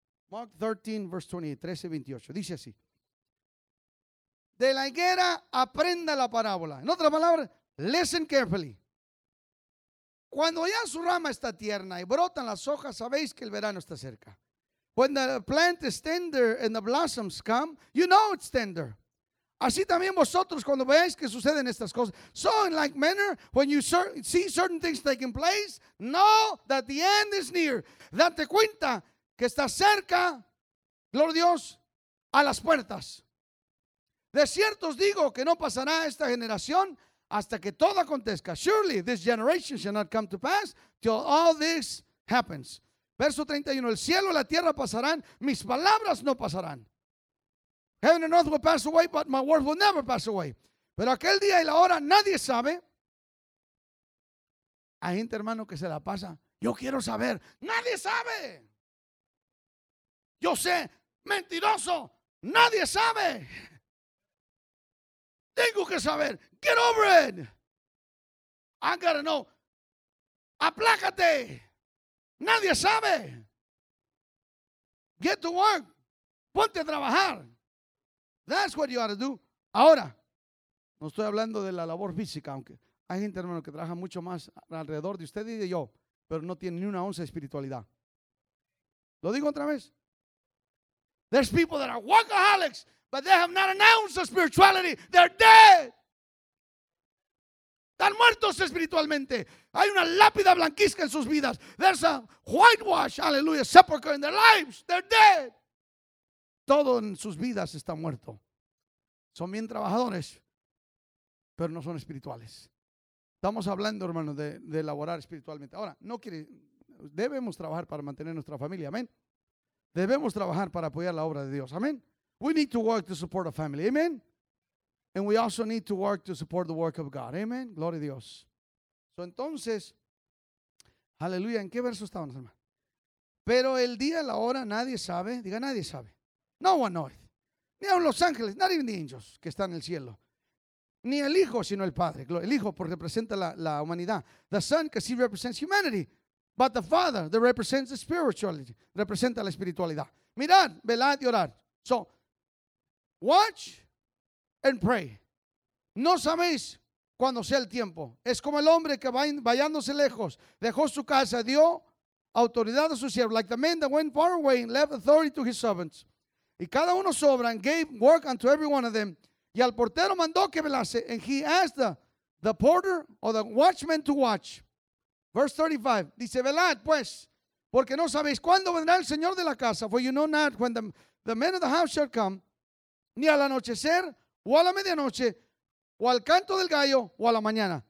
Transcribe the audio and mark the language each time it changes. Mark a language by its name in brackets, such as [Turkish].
[Spanish] Mark 13, verse 28, 13:28. Dice así. De la higuera aprenda la parábola. En otras palabras, [English] listen carefully. [Spanish] Cuando ya su rama está tierna y brotan las hojas, sabéis que el verano está cerca. [English] When the plant is tender and the blossoms come, you know it's tender. [Spanish] Así también vosotros cuando veáis que suceden estas cosas. [English] So in like manner, when you see certain things taking place, know that the end is near. [Spanish] Date cuenta que está cerca, gloria a Dios, a las puertas. De cierto os digo que no pasará esta generación hasta que todo acontezca. [English] Surely this generation shall not come to pass till all this happens. [Spanish] Verso 31, el cielo y la tierra pasarán, mis palabras no pasarán. [English] Heaven and earth will pass away, but my word will never pass away. [Spanish] Pero aquel día y la hora nadie sabe. Hay gente, hermano, que se la pasa. Yo quiero saber. Nadie sabe. Yo sé. Mentiroso. Nadie sabe. Tengo que saber. [English] Get over it. I gotta know. [Spanish] Aplácate. Nadie sabe. [English] Get to work. [Spanish] Ponte a trabajar. [English] That's what you ought to do. [Spanish] Ahora, no estoy hablando de la labor física, aunque hay gente, hermano, que trabaja mucho más alrededor de usted y de yo, pero no tiene ni una onza de espiritualidad. ¿Lo digo otra vez? [English] There's people that are workaholics, but they have not an ounce of spirituality. They're dead. [Spanish] Están muertos espiritualmente. Hay una lápida blanquizca en sus vidas. [English] There's a whitewash, hallelujah, sepulcher in their lives. They're dead. [Spanish] Todo en sus vidas está muerto. Son bien trabajadores, pero no son espirituales. Estamos hablando, hermano, de laborar espiritualmente. Ahora, no quiere, debemos trabajar para mantener nuestra familia, amén. Debemos trabajar para apoyar la obra de Dios, amén. [English] We need to work to support a family, amén. And we also need to work to support the work of God, amén. [Spanish] Gloria a Dios. So, entonces, aleluya, ¿en qué verso estamos, hermano? Pero el día, la hora, nadie sabe, diga, nadie sabe. [English] No one knows. [Spanish] Ni aun los ángeles, [English] not even the angels [Spanish] que están en el cielo. Ni el Hijo, sino el Padre. El Hijo porque representa la humanidad. [English] The Son, because he represents humanity. But the Father, that represents the spirituality, [Spanish] representa la espiritualidad. Mirad, velad y orad. [English] So, watch and pray. [Spanish] No sabéis cuando sea el tiempo. Es como el hombre que va vayándose lejos, dejó su casa, dio autoridad a su siervo. [English] Like the man that went far away and left authority to his servants. [Spanish] Y cada uno sobran, [English] gave work unto every one of them. [Spanish] Y al portero mandó que velase. [English] And he asked the porter or the watchman to watch. Verse 35. [Spanish] Dice, velad pues, porque no sabéis cuándo vendrá el señor de la casa. [English] For you know not when the man of the house shall come. [Spanish] Ni al anochecer, o a la medianoche, o al canto del gallo, o a la mañana.